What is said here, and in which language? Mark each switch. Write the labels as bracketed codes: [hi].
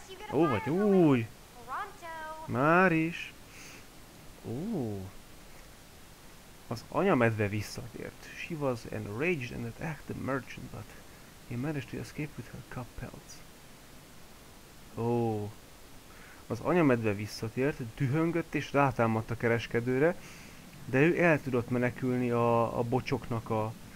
[hu] Vagy úgy. Már is. Az anyamedve visszatért. [en] She was enraged and attacked the merchant, but he managed to escape with her cup pelts. [hu] Az anyamedve visszatért, dühöngött és rátámadt a kereskedőre, de ő el tudott menekülni a bocsoknak a...